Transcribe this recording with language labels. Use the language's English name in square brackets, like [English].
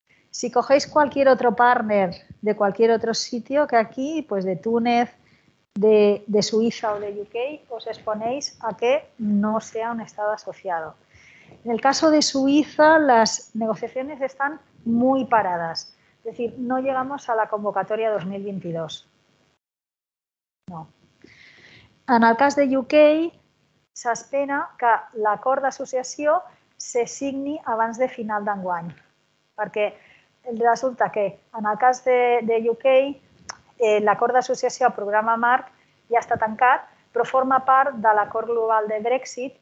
[Catalan] Si cogeix qualsevol altre partner de qualsevol altre sitio que aquí, pues de Túnez, de Suïssa o de UK, us exponeix a [Spanish] que no sea [Catalan] un estat associat. En el cas de Suïssa, les negociacions estan molt parades. [Spanish] Es decir, no llegamos a la convocatoria 2022. No. [Catalan] En el cas de UK, s'espera que l'acord d'associació se signi abans de final d'enguany. Perquè resulta que en el cas de UK, l'acord d'associació al programa Marc ja està tancat, però forma part de l'acord global de Brexit.